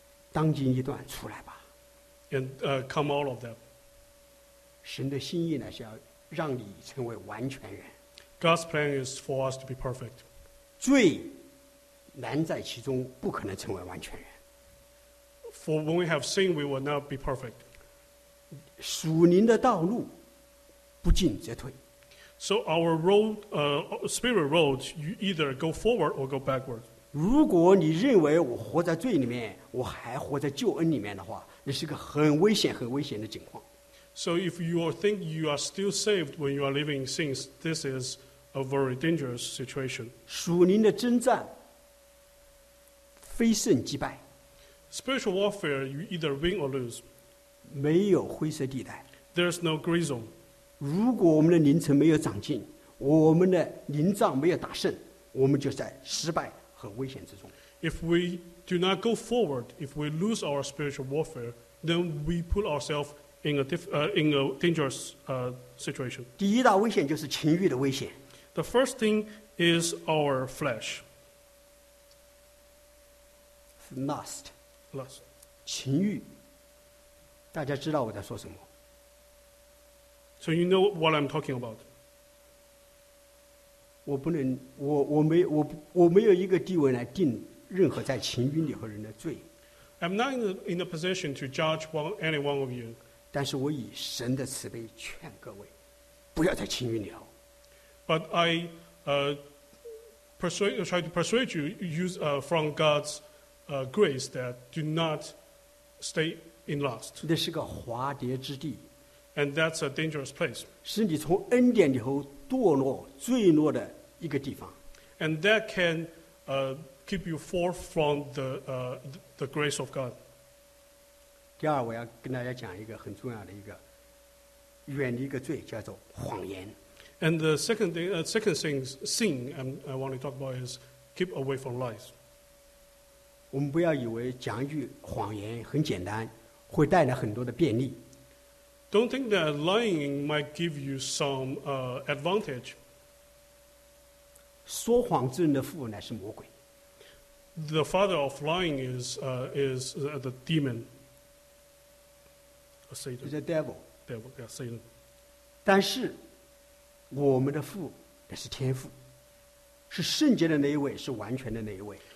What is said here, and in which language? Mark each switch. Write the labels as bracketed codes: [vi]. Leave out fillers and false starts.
[zh] 当今一段出来吧。 [en] And come out of that. [zh] 神的心意呢，是要让你成为完全人。 [en] God's plan is for us to be perfect. [zh] 罪难在其中，不可能成为完全人。 [en] For when we have sin, we will not be perfect. [zh] 属灵的道路不进则退。 [en] So our road, spirit road, you either go forward or go backward. [zh] 如果你认为我活在罪里面，我还活在救恩里面的话，那是个很危险、很危险的情况。 [en] So if you think you are still saved when you are living in sins, this is a very dangerous situation. [zh] 属灵的征战，非胜即败。 [en] Spiritual warfare, you either win or lose. [zh] 没有灰色地带。 [en] There's no gray zone. [zh] 如果我们的灵程没有长进，我们的灵仗没有打胜，我们就在失败和危险之中。 [en] If we do not go forward, if we lose our spiritual warfare, then we put ourselves in a dangerous situation. [zh] 第一大危险就是情欲的危险。 [en] The first thing is our flesh. Lust. Lust. [zh] 情欲。大家知道我在说什么。 [en] So you know what I'm talking about. [zh] 我不能，我没有一个地位来定任何在情欲里和人的罪。 [en] I'm not in a position to judge any one of you. [zh] 但是我以神的慈悲劝各位，不要在情欲里头。 [en] But I try to persuade you use from God's grace that do not stay in lust. [zh] 那是个滑跌之地。 [en] And that's a dangerous place. [zh] 是你从恩典里头堕落、坠落的一个地方。 [en] And that can keep you far from the grace of God. [zh] 第二，我要跟大家讲一个很重要的一个，远离一个罪，叫做谎言。 [en] And the second thing I want to talk about is keep away from lies. [zh] 我们不要以为讲一句谎言很简单，会带来很多的便利。 [en] Don't think that lying might give you some advantage. [zh] 说谎之人的父乃是魔鬼。 [en] The father of lying is the demon. Satan. The devil. Devil, yeah, Satan. [zh] 但是我们的父乃是天父，是圣洁的那一位，是完全的那一位。